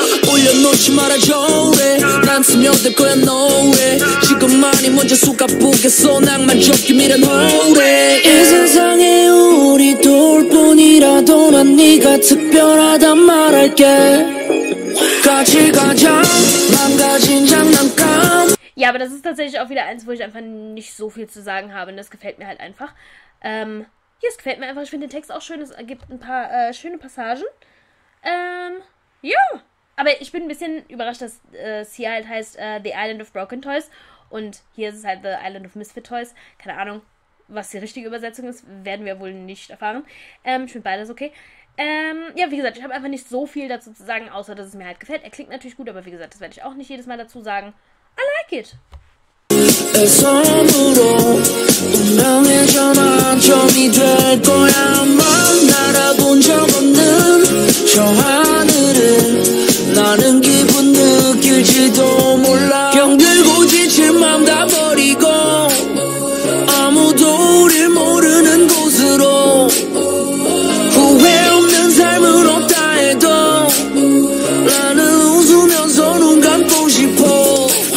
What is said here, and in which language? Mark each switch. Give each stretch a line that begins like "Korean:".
Korean: 올려놓지 말아줘 왜 난 스며들 거야 너 왜 지금만이 먼저 속 아프겠어 낭만적 기밀은 허울해 이 세상에 우리 둘 뿐이라도 난 네가 특별하다 말할게 같이 가자 망가진 장난감
German: Ja, aber das ist tatsächlich auch wieder eins, wo ich einfach nicht so viel zu sagen habe. Und das gefällt mir halt einfach. Es gefällt mir einfach. Ich finde den Text auch schön. Es gibt ein paar schöne Passagen. Ja. Aber ich bin ein bisschen überrascht, dass es hier halt heißt The Island of Broken Toys. Und hier ist es halt The Island of Misfit Toys. Keine Ahnung, was die richtige Übersetzung ist. Werden wir wohl nicht erfahren. Ich finde beides okay. Ja, wie gesagt, ich habe einfach nicht so viel dazu zu sagen, außer dass es mir halt gefällt. Er klingt natürlich gut, aber wie gesagt, das werde ich auch nicht jedes Mal dazu sagen.
English: I like it.
Korean: 선물로 운명의 전환점이 될 거야 막 날아본 적 없는 저 하늘을 나는 기분 느낄지도 몰라 병들고 지칠 맘 다 버리고 아무도 우릴 모르는 곳으로 후회 없는 삶은 없다 해도 나는 웃으면서 눈 감고 싶어